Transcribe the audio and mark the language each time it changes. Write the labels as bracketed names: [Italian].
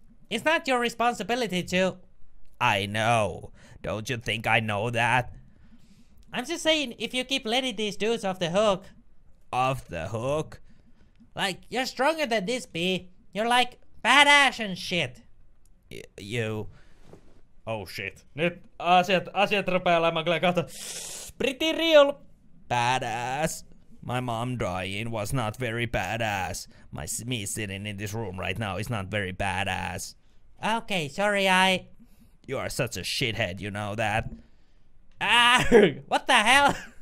[English] It's not your responsibility to... I know. Don't you think I know that? I'm just saying, if you keep letting these dudes off the hook... Off the hook? Like, you're stronger than this, B. You're like, badass and shit. You... Oh shit. [Finnish] Nyt asiat rupeaa olemaan kyllä kohta. [English] Pretty real! Badass. My mom dying was not very badass. Me sitting in this room right now is not very badass. Okay, sorry, I... You are such a shithead, you know that? What the hell?